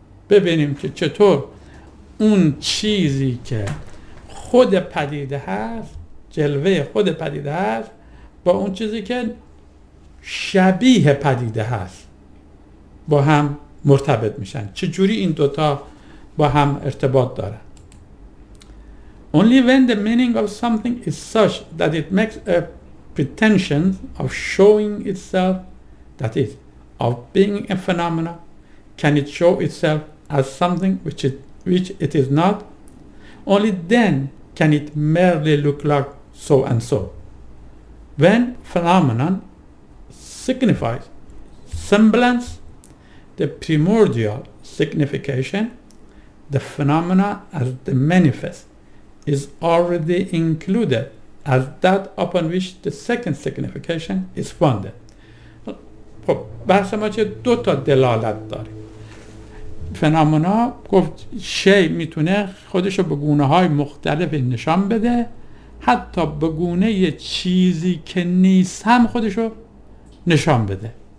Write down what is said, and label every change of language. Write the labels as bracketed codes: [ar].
[fa] ببینیم که چطور اون چیزی که خود پدیده هست، جلوه خود پدیده هست، با اون چیزی که شبیه پدیده هست با هم مرتبط میشن. چجوری این دوتا با هم ارتباط دارن؟ [en] Only when the meaning of something is such that it makes a pretension of showing itself, that is, of being a phenomenon, can it show itself as something which it is not. Only then can it merely look like so and so. When phenomenon signifies semblance, the primordial signification, the phenomena as the manifest, is already included as that upon which the second signification is founded. [fa] خب بحث ما چه دو تا دلالت داره. فنامونا گفت شی میتونه خودشو به گونه های مختلف نشان بده، حتی به گونه یه چیزی که نیست هم خودشو نشان بده.